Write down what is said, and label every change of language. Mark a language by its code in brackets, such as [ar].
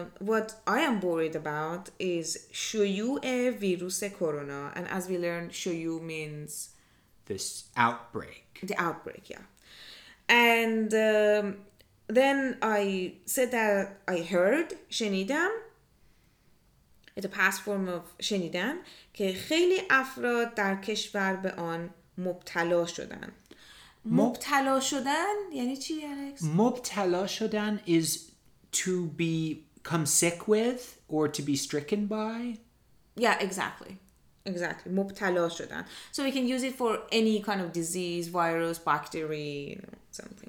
[en] What I am worried about is [fa] shuyu e virus corona. [en] And as we learn, shuyu means this outbreak. The outbreak, yeah. And then I said that I heard shenidam. It's a past form of [fa] شنیدن که خیلی افراد در کشور به آن مبتلا شدن. مبتلا شدن یعنی چی الکس؟ [en] مبتلا شدن is to be come sick with or to be stricken by. Yeah, exactly. مبتلا شدن. So we can use it for any kind of disease, virus, bacteria, you know, something.